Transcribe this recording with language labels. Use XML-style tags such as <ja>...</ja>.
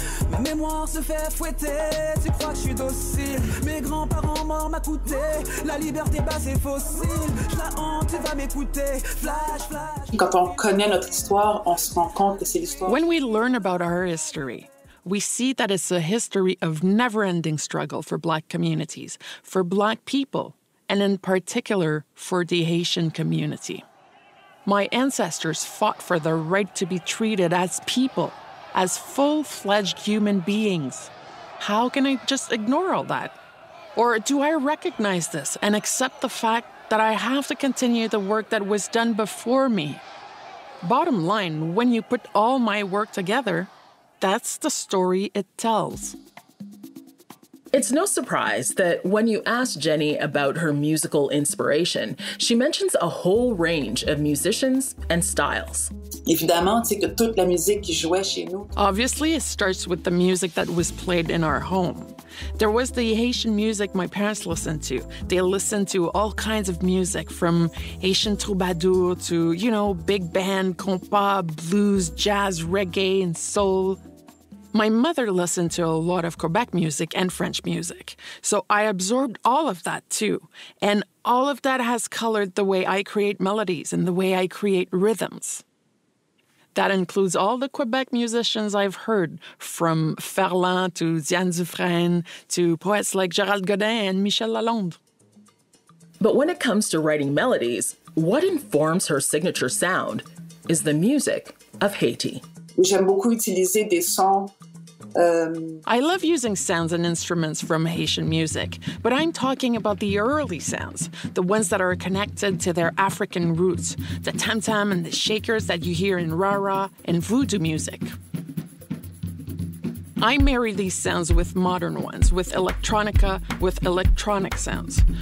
<fr>Ma mémoire se fait fouetter, tu crois que je suis docile. Mes grands-parents morts m'a coûté, la liberté basse et fossile. Je la hante, tu vas m'écouter.</fr> <en>Flash, flash.</en> <fr>Quand on connaît notre histoire, on se rend compte que c'est l'histoire.</fr> <en>When we learn about our history, we see that it's a history of never-ending struggle for Black communities, for Black people, and in particular, for the Haitian community. My ancestors fought for the right to be treated as people, as full-fledged human beings. How can I just ignore all that? Or do I recognize this and accept the fact that I have to continue the work that was done before me? Bottom line, when you put all my work together, that's the story it tells. It's no surprise that when you ask Jenny about her musical inspiration, she mentions a whole range of musicians and styles.</en> <fr>Évidemment, c'est que toute la musique qui jouait chez nous.</fr> <en>Obviously, it starts with the music that was played in our home. There was the Haitian music my parents listened to. They listened to all kinds of music, from Haitian troubadour to, you know, big band, compas, blues, jazz, reggae, and soul. My mother listened to a lot of Quebec music and French music, so I absorbed all of that too. And all of that has colored the way I create melodies and the way I create rhythms. That includes all the Quebec musicians I've heard, from Ferlin to Diane Dufresne to poets like Gérald Godin and Michel Lalonde. But when it comes to writing melodies, what informs her signature sound is the music of Haiti.</en> <fr>J'aime beaucoup utiliser des sons.</fr> <en>I love using sounds and instruments from Haitian music, but I'm talking about the early sounds, the ones that are connected to their African roots, the tam-tam and the shakers that you hear in ra-ra and voodoo music. I marry these sounds with modern ones, with electronica, with electronic sounds.</en>